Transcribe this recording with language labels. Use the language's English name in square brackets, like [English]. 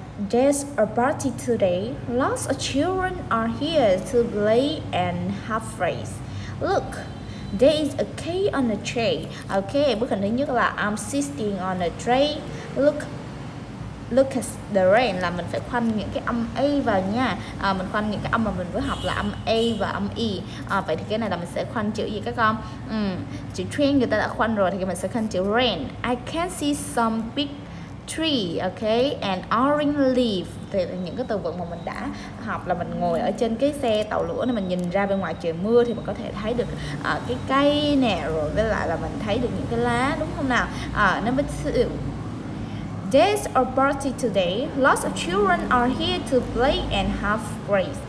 [English] There's a party today. Lots of children are here to play and have fun. Look, there is a key on the tray. [Vietnamese] Okay, bước hình thứ nhất là [English] I'm sitting on a tray. Look at the rain [Vietnamese] là mình phải khoanh những cái âm A vào nha. Mình khoanh những cái âm mà mình vừa học là âm A và âm E. Vậy thì cái này là mình sẽ khoanh chữ gì các con? Chữ train người ta đã khoanh rồi thì mình sẽ khoanh chữ rain. [English] I can see some big tree, okay, and orange leaf. [Vietnamese] Thì những cái từ vựng mà mình đã học là mình ngồi ở trên cái xe tàu lửa này, mình nhìn ra bên ngoài trời mưa thì mình có thể thấy được cái cây nè, rồi với lại là mình thấy được những cái lá, đúng không nào? [English] Number two. There's a party today. Lots of children are here to play and have fun.